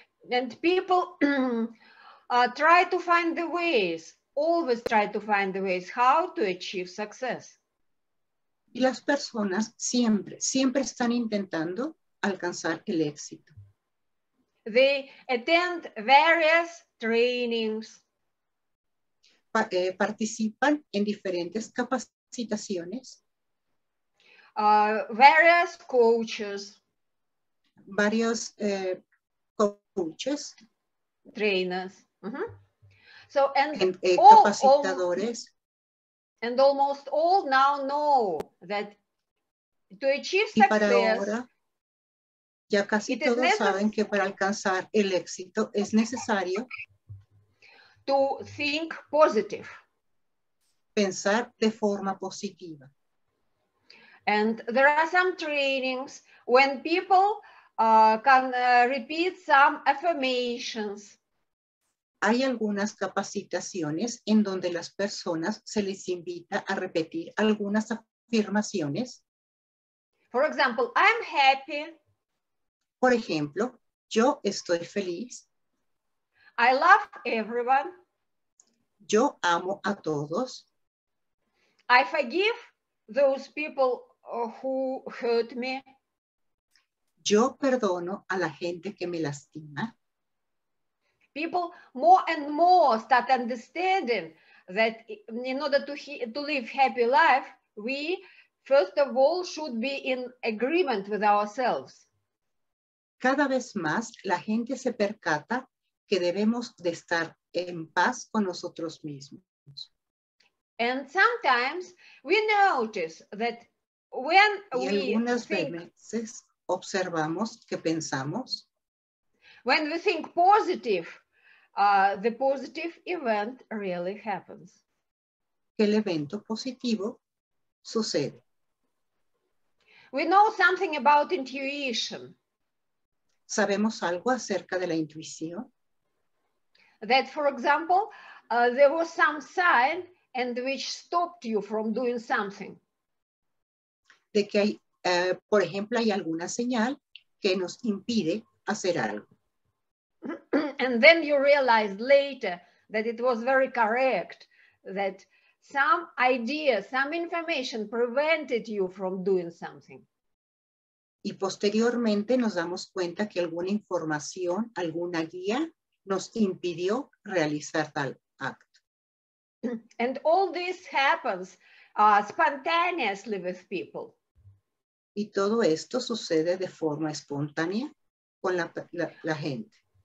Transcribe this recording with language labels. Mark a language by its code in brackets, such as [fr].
[en] And people try to find the ways, always try to find the ways how to achieve success. [es] Y las personas siempre están intentando alcanzar el éxito. [en] They attend various trainings. [es] Participan en diferentes capacitaciones. [en] Various coaches. [es] Varios coaches. [en] Trainers. [es] Capacitadores. [en] And almost all now know that to achieve success. [es] Y para ahora, ya casi todos saben que para alcanzar el éxito es necesario [en] to think positive. [es] Pensar de forma positiva. [en] And there are some trainings when people repeat some affirmations. [es] Hay algunas capacitaciones en donde las personas se les invita a repetir algunas afirmaciones. [en] For example, I'm happy. [es] Por ejemplo, yo estoy feliz. [en] I love everyone. [es] Yo amo a todos. [en] I forgive those people who hurt me. [es] Yo perdono a la gente que me lastima. [en] People more and more start understanding that in order to live happy life, we first of all should be in agreement with ourselves. [es] Cada vez más la gente se percata que debemos de estar en paz con nosotros mismos. [en] And sometimes we notice that when [es] y [en] we [es] algunas [en] think [es] veces observamos que pensamos. [en] When we think positive, the positive event really happens. [es] El evento positivo sucede. [en] We know something about intuition. [es] Sabemos algo acerca de la intuición. [en] That, for example, there was some sign and which stopped you from doing something. [es] De que hay, por ejemplo, hay alguna señal que nos impide hacer algo. [en] And then you realized later that it was very correct, that some idea, some information prevented you from doing something. [es] Y posteriormente nos damos cuenta que alguna información, alguna guía, nos impidió realizar tal acto. [en] And all this happens spontaneously with people. [es] Y todo esto sucede de forma espontánea con la gente.